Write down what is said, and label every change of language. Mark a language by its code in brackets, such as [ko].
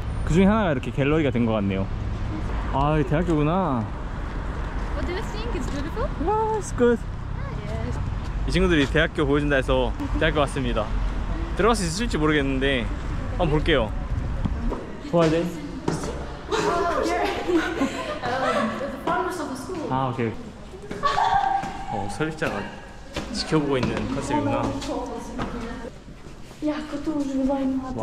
[ko] 그 중에 하나가 이렇게 갤러리가 된 것 같네요. 아, 이 대학교구나. [en] What do you think? It's beautiful? Yeah, it's good. [ko] 이 친구들이 대학교 보여준다 해서 대학교 왔습니다. 들어갈 수 있을지 모르겠는데 한번 볼게요. [en] Who are they? Oh, here. The founders of the school. 아, 오케이. Okay. [ko] 설립자가 지켜보고 있는 컨셉이구나. 야, 그것도 유사인 것 같아.